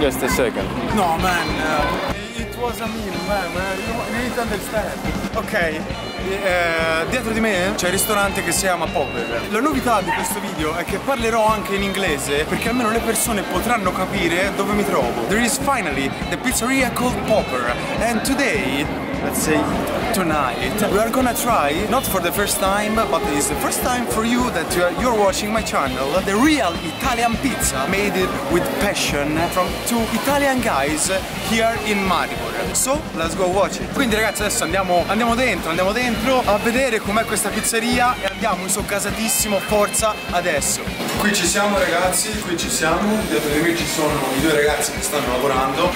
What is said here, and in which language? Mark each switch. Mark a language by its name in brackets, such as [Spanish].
[English] Just a second. No man, man, you need to understand. [Italian] Ok, dietro di me c'è il ristorante che si chiama Popper. La novità di questo video è che parlerò anche in inglese, perché almeno le persone potranno capire dove mi trovo. [English] There is finally the pizzeria called Popper, and today, let's say tonight, we are gonna try, not for the first time, but it is the first time for you that you're watching my channel, the real Italian pizza made with passion from two Italian guys here in Maribor. So let's go watch it. [Italian] Quindi ragazzi, adesso andiamo dentro a vedere com'è questa pizzeria e andiamo, mi sono gasatissimo, forza, adesso. Qui ci siamo ragazzi, dietro di me ci sono i due ragazzi che stanno lavorando.